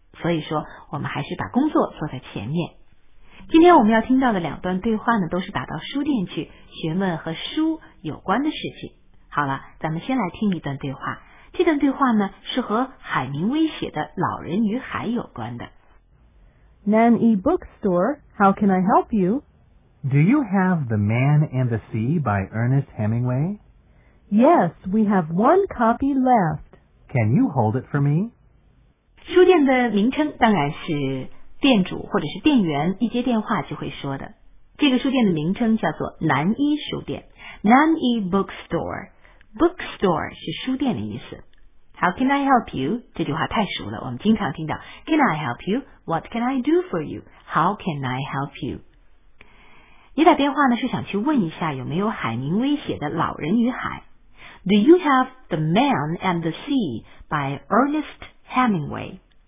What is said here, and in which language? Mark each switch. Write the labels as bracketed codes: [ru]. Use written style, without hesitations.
[zh] 所以说我们还是把工作做在前面。今天我们要听到的两段对话呢，都是打到书店去询问和书有关的事情。好了，咱们先来听一段对话。这段对话呢是和海明威写的《老人与海》有关的。 [en] Nan E Bookstore, how can I help you? Do you have The Man and the Sea by Ernest Hemingway? Yes, we have one copy left. Can you hold it for me? [zh] 书店的名称当然是店主或者是店员一接电话就会说的。这个书店的名称叫做南一书店 ,Nan E Bookstore。 [en] Bookstore [zh] 是书店的意思。 [en] How can I help you? [zh] 这句话太熟了，我们经常听到 [en] Can I help you? What can I do for you? How can I help you? [zh] 你打电话呢是想去问一下有没有海明威写的《老人与海》。 [en] Do you have The Man and the Sea by Ernest Hemingway?